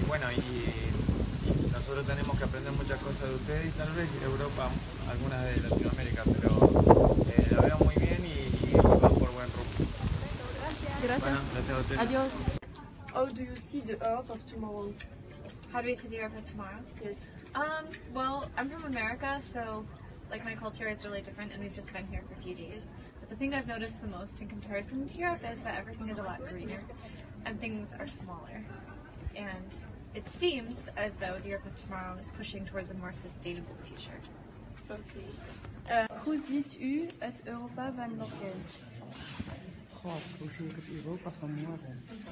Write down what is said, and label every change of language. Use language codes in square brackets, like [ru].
[es] Y nosotros tenemos que aprender muchas cosas de ustedes y tal vez Europa, algunas de Latinoamérica, pero la veo muy bien y va por buen rumbo. Gracias a usted. Adiós. [en] How do you see the Earth of tomorrow? How do we see the Earth of tomorrow? Yes. Well, I'm from America, so like my culture is really different, and we've just been here for a few days. But the thing I've noticed the most in comparison to Europe is that everything is a lot greener, and things are smaller. And it seems as though the Earth of tomorrow is pushing towards a more sustainable future. Okay. [nl] Hoe ziet u het Europa van morgen? Goh, hoe zie ik het Europa van morgen?